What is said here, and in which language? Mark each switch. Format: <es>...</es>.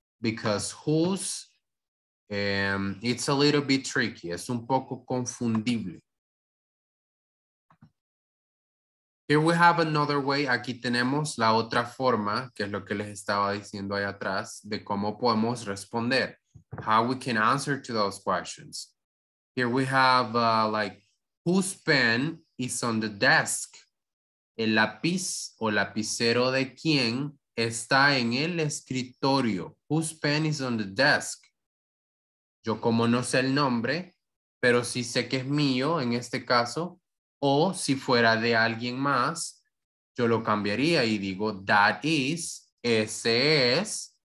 <en>Because whose, it's a little bit tricky.</en> <es>Es un poco confundible.</es> <en>Here we have another way.</en> <es>Aquí tenemos la otra forma, que es lo que les estaba diciendo ahí atrás, de cómo podemos responder.</es> <en>How we can answer to those questions. Here we have whose pen is on the desk?</en> <es>El lápiz o lapicero de quién está en el escritorio.</es> <en>Whose pen is on the desk?</en> <es>Yo como no sé el nombre, pero sí sé que es mío en este caso, o si fuera de alguien más, yo lo cambiaría y digo,</es> <en>that is,</en> <es>ese es.</es>